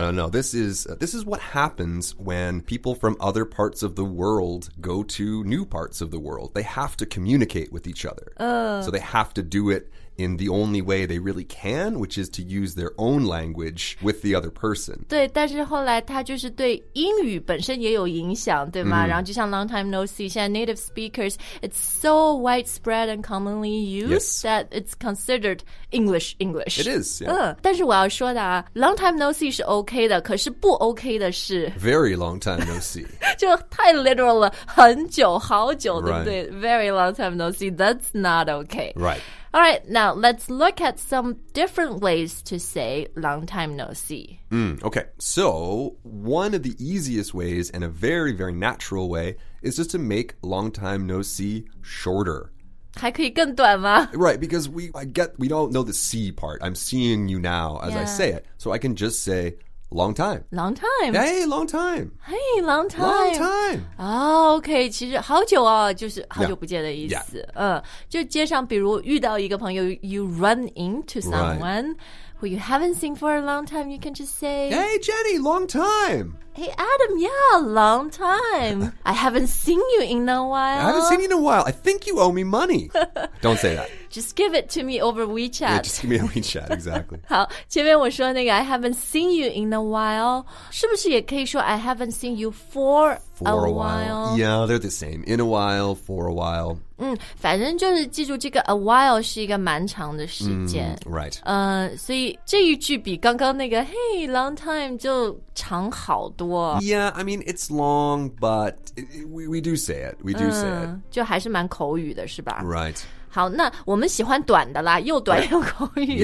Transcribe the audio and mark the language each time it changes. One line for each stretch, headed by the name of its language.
English: No. This is what happens when people from other parts of the world go to new parts of the world. They have to communicate with each other. So they have to do it in the only way they really can, which is to use their own language with the other person.
Chinese: 对，但是后来他就是对英语本身也有影响，对吗？然后就像
English: long time no see, 现在 native speakers, it's so widespread and commonly used that it's considered English. It is, yeah.
Chinese: 但是我要说的啊 ,
English: long time no see
Chinese: 是 OK 的，可是不 OK 的是
English: Very long time no see.
Chinese: 就太 literal 了，很久，好久，对不对？
English: Very long time no see, that's not OK. Right. Alright, now let's look at some different ways to say long time no see. Okay, so one of the easiest ways and a very, very natural way is just to make long time no see shorter.
Chinese: 还可以更短吗?
English: Right, because we don't know the see part. I'm seeing you now as I say it. So I can just say... Long time. Long time. Hey, long time. Hey, long time. Long time. Oh, okay.
Chinese: 其实好久啊，就是好久不见的意思。
English: Yeah.
Chinese: 就街上比如遇到一个朋友
English: you run into someone、who you haven't seen for a long time, you can just say, Hey, Jenny, long time. Hey, Adam, yeah, long time. I haven't seen you in a while. I haven't seen you in a while. I think you owe me money. Don't say that. Just give it to me over WeChat. Yeah, just give me a WeChat, exactly.
Chinese: 好，前面我说那个
English: I haven't seen you in a while,
Chinese: 是不是也可以说
English: I haven't seen you for a while? Yeah, they're the same. In a while, for a while.
Chinese: 反正就是记住这个 a while 是一个蛮长的时间。
English: Right.
Chinese: 所以这一句比刚刚那个
English: Hey, long time
Chinese: 就长好多。
English: Yeah, I mean, it's long, but we do say it. We do say it.
Chinese: 就还是蛮口语的是吧
English: Right.
Chinese: 好，那我们喜欢短的啦，又短又口语。